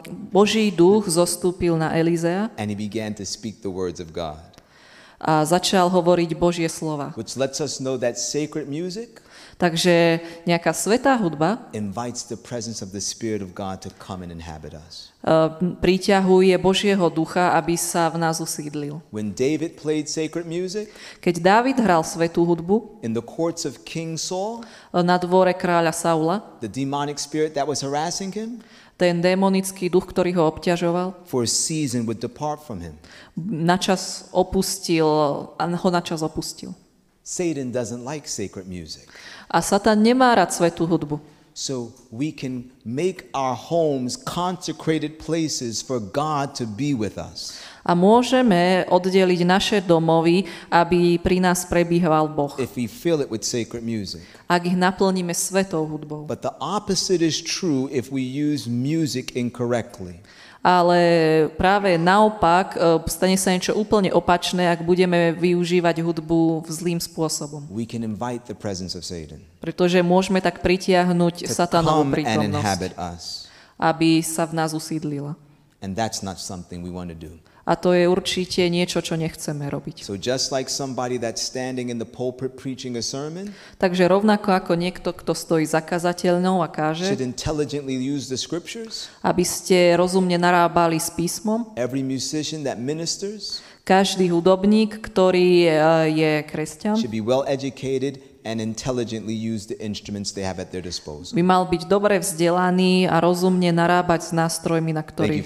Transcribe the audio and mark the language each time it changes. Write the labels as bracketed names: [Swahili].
[Slovak] Boží duch zostúpil na Elizea. [English] And he began to speak the words of God. [Slovak] A začal hovoriť Božie slova. [English] Which lets us know that sacred music. [Slovak] Takže nejaká svätá hudba [English] invites the presence of the spirit of God to come and inhabit us. [Slovak] Priťahuje Božieho ducha, aby sa v nás usídlil. [English] When David played sacred music, [Slovak] keď Dávid hral svätú hudbu, [English] in the courts of King Saul, [Slovak] na dvore kráľa Saula, [English] the demonic spirit that was harassing him, [Slovak] ten démonický duch, ktorý ho obťažoval, [English] for a season would depart from him. [Slovak] Ho načas opustil. [English] Satan doesn't like sacred music. [Slovak] A Satan nemá rád svätú hudbu. [English] So we can make our homes consecrated places for God to be with us. [Slovak] A môžeme oddeliť naše domovy, aby pri nás prebýval Boh. [English] If we fill it with sacred music. [Slovak] Ak ich naplníme svätou hudbou. [English] But the opposite is true if we use music incorrectly. [Slovak] Ale práve naopak, stane sa niečo úplne opačné, ak budeme využívať hudbu v zlým spôsobom. [English] We can invite the presence of Satan. [Slovak] Pretože môžeme tak pritiahnuť Satanovu prítomnosť, aby sa v nás usídlila. [English] And that's not something we want to do. [Slovak] A to je určite niečo, čo nechceme robiť. [English] So just like somebody that's standing in the pulpit preaching a sermon, [Slovak] takže rovnako ako niekto, kto stojí za kazateľnou a káže, [English] should intelligently use the scriptures, [Slovak] aby ste rozumne narábali s písmom, [English] every musician that ministers, [Slovak] každý hudobník, ktorý je kresťan, [English] should be well educated and intelligently use the instruments they have at their disposal. [Slovak] By mal byť dobre vzdelaný a rozumne narábať s nástrojmi, na ktorých